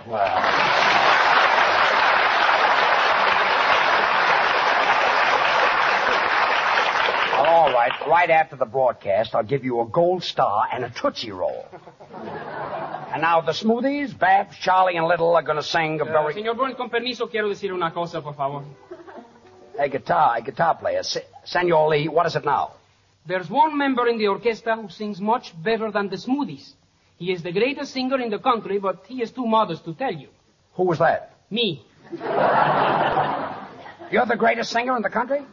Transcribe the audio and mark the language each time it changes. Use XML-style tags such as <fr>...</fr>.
<en>Wow. All right, right after the broadcast, I'll give you a gold star and a Tootsie Roll. And now the smoothies, Babs, Charlie, and Little are going to sing a very...</en> <es>Señor Burns, con permiso, quiero decir una cosa, por favor.</es> <en>Hey, guitar player, Señor Lee, what is it now? There's one member in the orchestra who sings much better than the smoothies. He is the greatest singer in the country, but he is too modest to tell you. Who was that? Me. You're the greatest singer in the country?</en>